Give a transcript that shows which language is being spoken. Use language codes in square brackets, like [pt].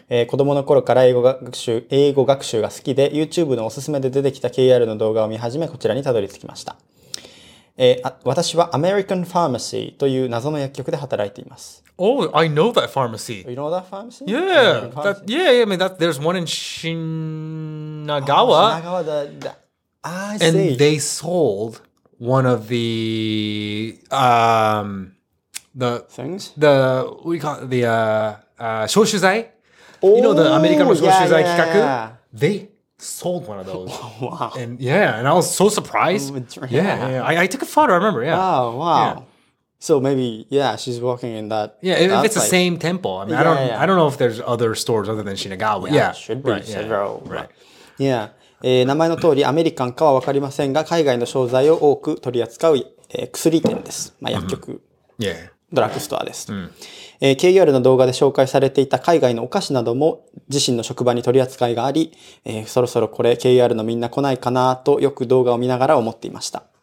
[ja] 子供の頃から英語学習が好きで、YouTube のおすすめで出てきた KR の動画を見始め、こちらにたどり着きました。私はアメリカンファーマシーという謎の薬局で働いています。 [en] Oh, I know that pharmacy. You know that pharmacy? Yeah. I mean, that, there's one in Shinagawa. I see. And they sold one of the, things? Shoshuzai. Oh, you know, the American Shoshuzai Kikaku? They sold one of those. Wow. And I was so surprised. I took a photo, I remember, yeah. Oh, wow. Yeah. So maybe, yeah, she's working in that. Yeah, if it's like, the same temple. I mean, yeah, I don't know if there's other stores other than Shinagawa. Yeah, should be right, several. Yeah, right. Yeah. [ja] 名前の通りアメリカンかはわかりませんが、海外の商材を多く取り扱う、薬店です。まあ、薬局。 [en] Mm-hmm. Yeah. [ja] ドラッグストアです。 Mm-hmm. KER の動画で紹介されていた海外のお菓子なども自身の職場に取り扱いがあり、そろそろこれ KER のみんな来ないかなとよく動画を見ながら思っていました。